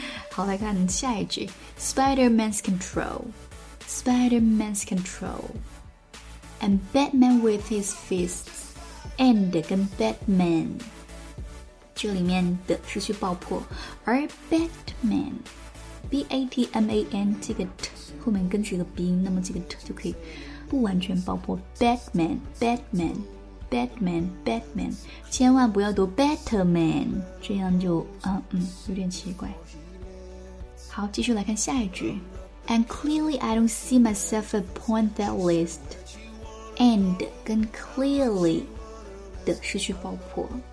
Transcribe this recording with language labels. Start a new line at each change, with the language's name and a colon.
Chinese: 好，来看下一句
English: Spider-Man's control Spider-Man's control And Batman with his fists
Chinese: And 跟 Batman 这里面的是去爆破，而 Batman B-A-T-M-A-N 这个 T 后面跟这个鼻音，那么这个 T 就可以不完全爆破 Batman Batman Batman Batman 千万不要读 Batman， 这样就有点奇怪。好，继续来看下一句。
English: And clearly I don't see myself upon that list.
Chinese: And 跟 clearly 的失去爆破。